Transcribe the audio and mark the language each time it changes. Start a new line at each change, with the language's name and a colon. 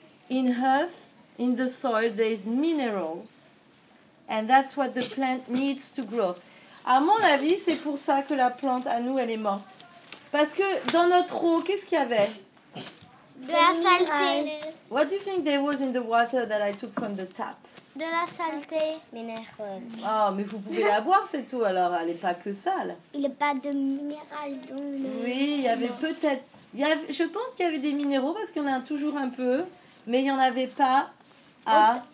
English: In earth, in the soil, there is minerals. And that's what the plant needs to grow.
French: À mon avis, c'est pour ça que la plante, à nous, elle est morte. Parce que dans notre eau, qu'est-ce qu'il y avait? De la saleté.
English: What do you think there was in the water that I took from the tap?
French: De la saleté. Minéral. Oh, mais vous pouvez la boire, c'est tout, alors elle n'est pas que sale. Il n'y a pas de minéral dans le... Oui, il y avait peut-être... Il y avait, je pense qu'il y avait des minéraux parce qu'il y en a toujours un peu, mais il n'y en avait pas à...